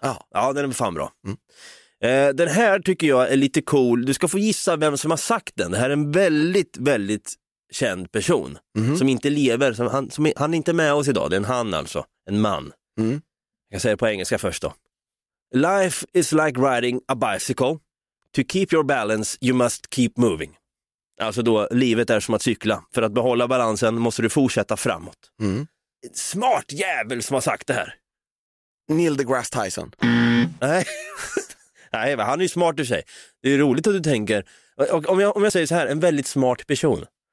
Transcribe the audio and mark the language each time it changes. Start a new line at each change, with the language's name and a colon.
Swedish: Ja. Ja, den är fan bra. Mm. Den här tycker jag är lite cool. Du ska få gissa vem som har sagt den. Det här är en väldigt, väldigt känd person. Mm. Som inte lever. Han är inte med oss idag. Det är en han alltså. En man. Mm. Jag kan säga det på engelska först då.
English: Life is like riding a bicycle. To keep your balance, you must keep moving.
Swedish: Alltså då, livet är som att cykla. För att behålla balansen måste du fortsätta framåt. Mm. Smart jävel som har sagt det här. Neil deGrasse Tyson. Nej. Nej, han är ju smart i sig. Det är roligt att du tänker. Och om jag säger så här, en väldigt smart person.